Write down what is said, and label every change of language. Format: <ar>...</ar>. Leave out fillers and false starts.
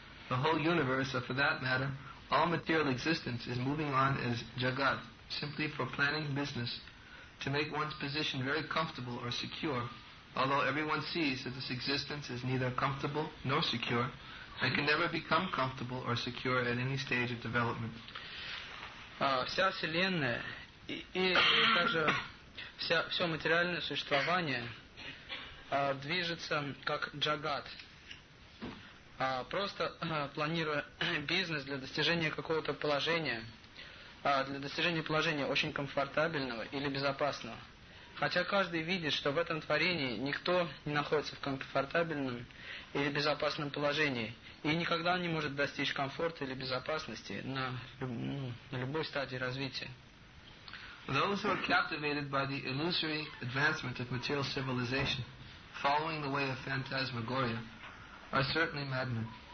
<en>The whole universe, or for that matter, all material existence is moving on as jagat, simply for planning business, to make one's position very comfortable or secure, although everyone sees that this existence is neither comfortable nor secure, and can never become comfortable or secure at any stage of development.</en> <ru>Вся вселенная и также все материальное существование движется как джагат, просто планируя бизнес для достижения какого-то положения, для достижения положения очень комфортабельного или безопасного. Хотя каждый видит, что в этом творении никто не находится в комфортабельном или безопасном положении и никогда не может достичь комфорта или безопасности на любой стадии развития.</ru> <en>Those who are captivated by the illusory advancement of material civilization, following the way of phantasmagoria, are certainly madmen.</en>